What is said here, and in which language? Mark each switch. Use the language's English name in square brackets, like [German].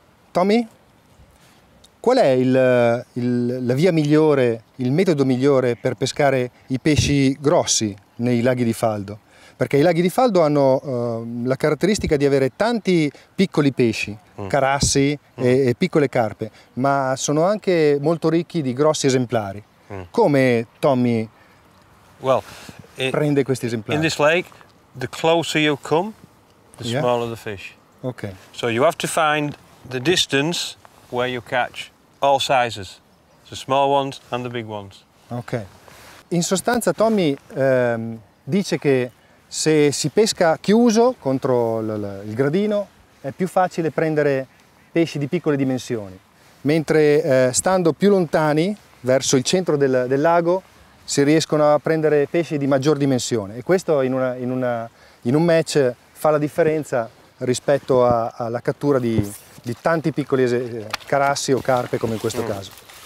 [Italian] Tommy, qual è la via migliore, il metodo migliore per pescare i pesci grossi nei laghi di Faldo? Perché i laghi di Faldo hanno la caratteristica di avere tanti piccoli pesci, carassi e piccole carpe, ma sono anche molto ricchi di grossi esemplari. Come Tommy prende questi esemplari? [English] In this lake, the closer you come, the smaller the fish. Okay. So you have to find the distance where you catch all sizes, the small ones and the big ones. Okay. [Italian] In sostanza Tommy dice che se si pesca chiuso contro il gradino è più facile prendere pesci di piccole dimensioni, mentre stando più lontani verso il centro del lago si riescono a prendere pesci di maggior dimensione, e questo in un match fa la differenza rispetto alla cattura di tanti piccoli carassi o carpe, come in questo caso.